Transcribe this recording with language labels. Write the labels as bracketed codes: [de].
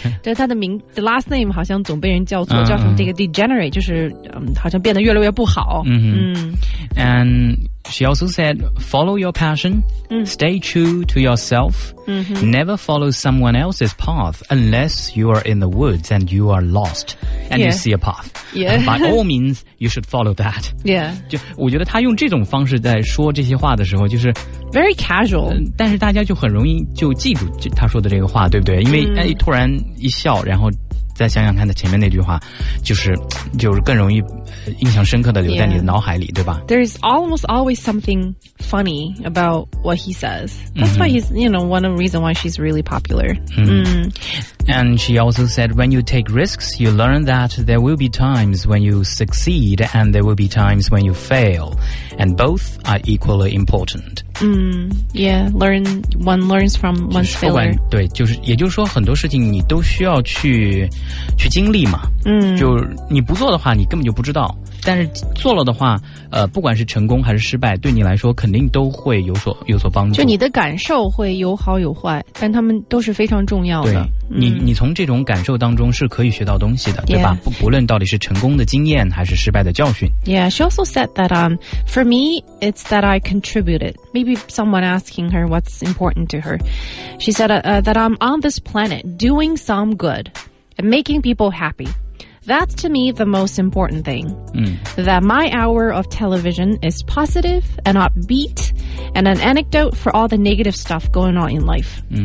[zh] 就他的名 [en] the last name [zh] 好像总被人叫做叫什么这个 DeGenerate, 就是好像变得越来越不好。 [en] And she also said, follow your passion, stay true to yourself, never follow someone else's path unless you are in the woods and you are lost and you see a path. By all means, you should follow that. Yeah. [zh] 就我觉得她用这种方式在说这些话的时候就是 [en] very casual. [zh] 但是大家就很容易就记住她说的这个话，对不对？因为突然一笑，然后再想想看的前面那句话，就是更容易印象深刻的留在你的脑海里，对吧？ [en] There's almost always something funny about what he says. That's why he's, you know, one of the reasons why she's really popular. And she also said, when you take risks, you learn that there will be times when you succeed and there will be times when you fail. And both are equally important. One learns from one's failure. [zh] 对，就是也就是说很多事情你都需要去经历嘛。就你不做的话你根本就不知道。但是做了的话不管是成功还是失败，对你来说肯定都会有所帮助。就你的感受会有好有坏，但他们都是非常重要的。对，你从这种感受当中是可以学到东西的，对吧？ [en] Yeah. [zh] 不论到底是成功的经验还是失败的教训。 [en] Yeah, she also said that for me, it's that I contributed. Maybe someone asking her what's important to her. She said that I'm on this planet doing some good and making people happy. That's to me the most important thing. That my hour of television is positive and upbeat and an anecdote for all the negative stuff going on in life.